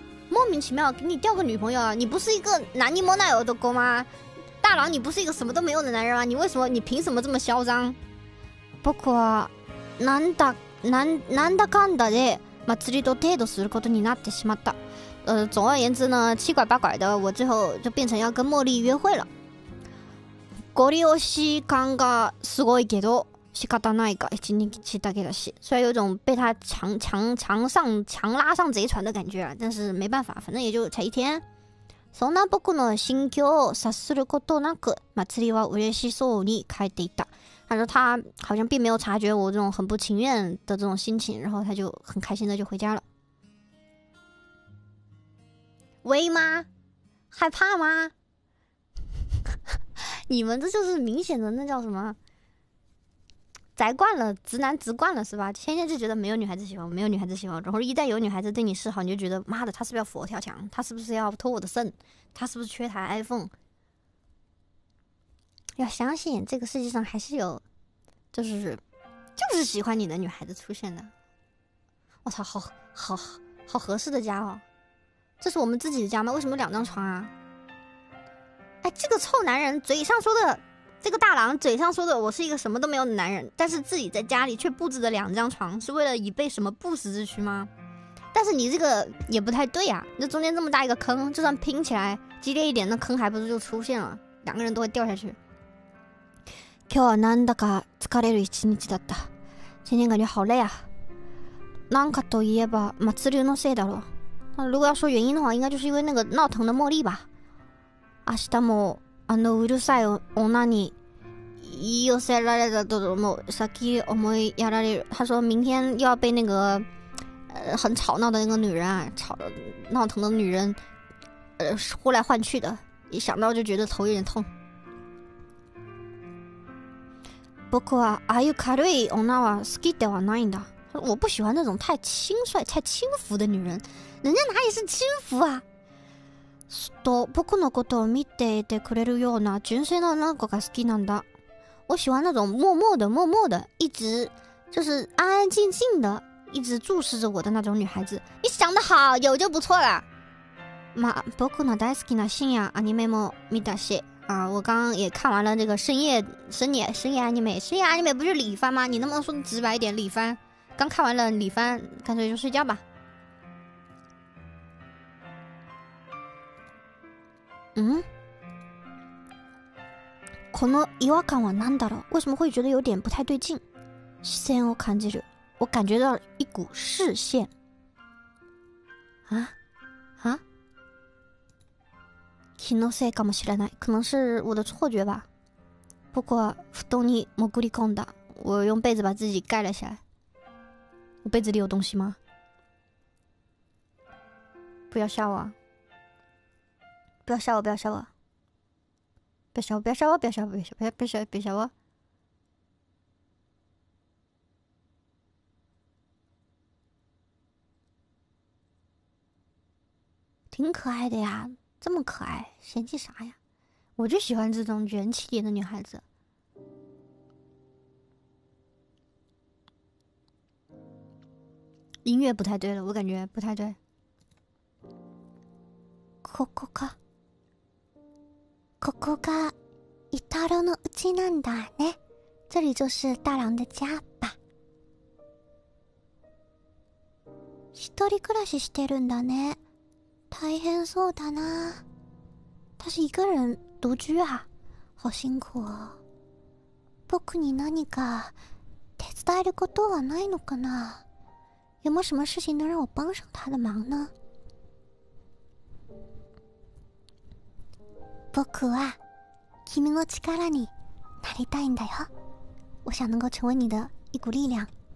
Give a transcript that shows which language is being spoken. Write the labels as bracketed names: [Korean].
[Chinese] 莫名其妙给你调个女朋友啊，你不是一个拿尼莫奈尔的哥吗？大郎，你不是一个什么都没有的男人吗？你为什么，你凭什么这么嚣张？ [Japanese] 僕は、なんだかんだで、祭りとデートすることになってしまった。 [Chinese] 总而言之呢，七拐八拐的，我最后就变成要跟茉莉约会了。 [Japanese] ゴリ押し感がすごいけど、仕方ないか、一日だけだし。 [Chinese] 虽然有种被他强拉上贼船的感觉啊，但是没办法，反正也就才一天。 [Japanese] そんな僕の心境を察することなく、祭りは嬉しそうに帰っていった。 [Chinese] 他说他好像并没有察觉我这种很不情愿的这种心情，然后他就很开心的就回家了。威吗？害怕吗？你们这就是明显的那叫什么？宅惯了，直男直惯了是吧？天天就觉得没有女孩子喜欢，没有女孩子喜欢，然后一旦有女孩子对你示好，你就觉得妈的，她是不是要佛跳墙？她是不是要偷我的肾？她是不是缺台 iPhone？要相信这个世界上还是有，就是喜欢你的女孩子出现的。我操，好合适的家哦！这是我们自己的家吗？为什么有两张床啊？哎，这个臭男人嘴上说的，这个大郎嘴上说的，我是一个什么都没有的男人，但是自己在家里却布置了两张床，是为了以备什么不时之需吗？但是你这个也不太对啊，那中间这么大一个坑，就算拼起来激烈一点，那坑还不是就出现了，两个人都会掉下去。 [Japanese] 今日はなんだか疲れる一日だった。 [Chinese] 今天感觉好累啊。 [Japanese] なんかといえば祭りのせいだろう。 [Chinese] 如果要说原因的话，应该就是因为那个闹腾的茉莉吧。 [Japanese] 明日もあのうるさい女に言い寄せられたと、もう先思いやられる。 [Chinese] 他说明天又要被那个很吵闹的那个女人啊，闹腾的女人呼来唤去的，一想到就觉得头有点痛。 [Japanese] 僕はああいう軽い女は好きではないんだ。 [Chinese] 我不喜欢那种太轻率、太轻浮的女人。人家哪里是轻浮啊？ [Japanese] と僕のことを見ていてくれるような純粋な女の子が好きなんだ。 [Chinese] 我喜欢那种默默的、默默的、一直就是安安静静的、一直注视着我的那种女孩子。你想得好，有就不错了。 [Japanese] まあ、僕の大好きな深夜アニメも見たし、 [Chinese] 啊，我刚刚也看完了这个深夜 anime， 深夜 anime 不是李帆吗？你能不能说直白一点？李帆，刚看完了李帆，干脆就睡觉吧。嗯？ [Japanese] この違和感は何だろう？ [Chinese] 为什么会觉得有点不太对劲？ [Japanese] 視線を感じる。 [Chinese] 我感觉到一股视线。啊？啊？ [Japanese] 気のせいかもしれない。 [Chinese] 可能是我的错觉吧。 [Japanese] 僕は布団に潜り込んだ。 [Chinese] 我用被子把自己盖了起来。我被子里有东西吗？不要吓我。不要吓我，不要吓我。不要吓我，不要吓我，不要吓我，别吓我。挺可爱的呀。这么可爱，嫌弃啥呀？我就喜欢这种元气点的女孩子。音乐不太对了，我感觉不太对。 [Japanese] ここか、ここが伊太郎の家なんだね。 [Chinese] 这里就是大郎的家吧。 [Japanese] 一人暮らししてるんだね。大変そうだな。 [Chinese] 他是一个人独居啊，好辛苦哦。 [Japanese] 僕に何か手伝えることはないのかな？ [Chinese] 有没有什么事情能让我帮上他的忙呢？ [Japanese] 僕は君の力になりたいんだよ。 [Chinese] 我想能够成为你的一股力量。